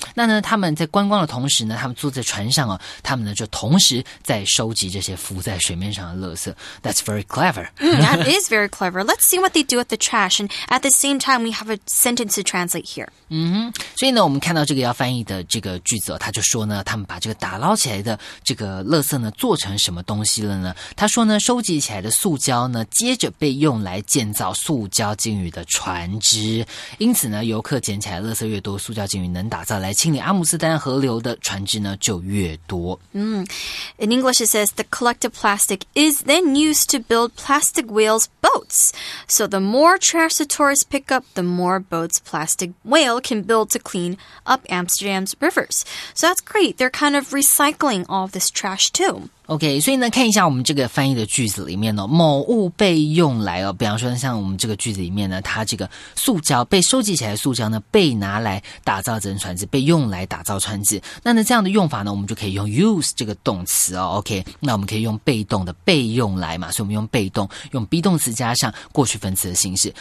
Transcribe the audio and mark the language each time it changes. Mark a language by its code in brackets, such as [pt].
[zh] 那呢，他们在观光的同时呢，他们坐在船上啊，他们呢就同时在收集这些浮在水面上的垃圾。 [en] That's very clever. That is very clever. Let's see what they do with the trash. And at the same time, we have a sentence to translate here. [zh] 嗯哼，所以呢，我们看到这个要翻译的这个句子，他就说呢，他们把这个打捞起来的这个垃圾呢，做成什么东西了呢？他说呢，收集起来的塑胶呢，接着被用来建造塑胶鲸鱼的船只。因此呢，游客捡起来垃圾越多，塑胶鲸鱼能打造来清理阿姆斯特丹河流的船只呢，就越多。 [en] In English, it says the collected plastic is then used to build plastic whales boats. So the more trash the tourists pick up, the more boats plastic whale can build to clean up Amsterdam's rivers. So that's great. They're kind of recycling all of this trash too. [zh] OK， 所以呢，看一下我们这个翻译的句子里面呢、哦，某物被用来哦，比方说像我们这个句子里面呢，它这个塑胶被收集起来的塑胶呢，被拿来打造成船只，被用来打造船只。那呢，这样的用法呢，我们就可以用 use 这个动词哦。OK， 那我们可以用被动的被用来嘛，所以我们用被动，用 be 动词加上过去分词的形式。